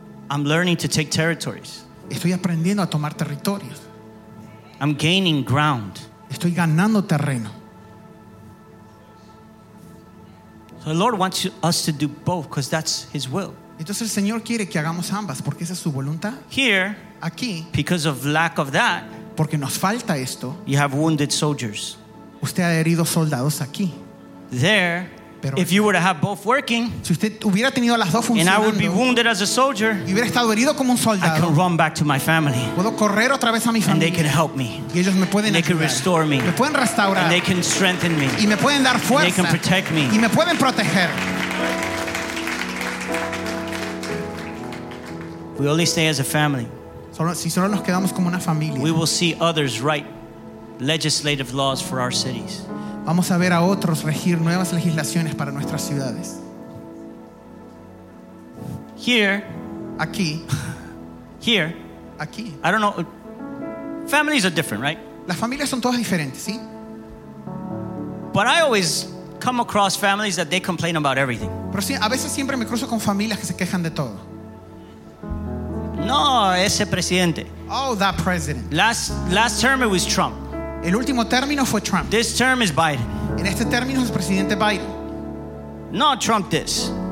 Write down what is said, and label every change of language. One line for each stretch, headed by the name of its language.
English: I'm learning to take territories.
Spanish: Estoy aprendiendo a tomar territorios.
English: I'm gaining ground.
Spanish: Estoy ganando terreno.
English: So the Lord wants us to do both because that's His will.
Spanish: Entonces el Señor quiere que hagamos ambas porque esa es su voluntad.
English: Here,
Spanish: aquí,
English: because of lack of that,
Spanish: porque nos falta esto,
English: you have wounded soldiers.
Spanish: Usted ha herido soldados aquí.
English: There.
Spanish: Pero
English: if you were to have both working,
Spanish: si usted hubiera tenido las dos funcionando,
English: and I would be wounded as a soldier,
Spanish: y hubiera estado herido como un soldado,
English: I can run back to my family.
Spanish: Puedo correr otra vez a mi familia,
English: and they can help me.
Spanish: Y ellos me pueden ayudar.
English: They can restore me.
Spanish: Me pueden restaurar.
English: And they can strengthen me.
Spanish: Y me pueden dar fuerza.
English: And they can protect me.
Spanish: Y me pueden proteger.
English: We only stay as a family.
Spanish: Solo nos quedamos como una familia.
English: We will see others write legislative laws for our cities.
Spanish: Vamos a ver a otros regir nuevas legislaciones para nuestras ciudades.
English: Here,
Spanish: aquí.
English: Here,
Spanish: aquí.
English: I don't know. Families are different, right?
Spanish: Las familias son todas diferentes, ¿sí?
English: But I always come across families that they complain about everything.
Spanish: Pero sí, a veces siempre me cruzo con familias que se quejan de todo. No, ese presidente.
English: Oh, that president. Last term it was Trump.
Spanish: El último término fue Trump.
English: This term is Biden.
Spanish: En este término es presidente Biden.
English: No, Trump this.